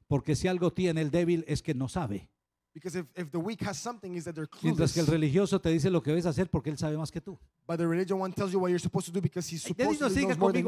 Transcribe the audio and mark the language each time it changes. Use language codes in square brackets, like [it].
[es] Porque si algo tiene el débil es que no sabe. [en] Because if the weak has something, is that they're clueless. [es] Mientras que el religioso te dice lo que debes hacer porque él sabe más que tú. [en] But the religious one tells you what you're supposed to do because he's supposed to know more than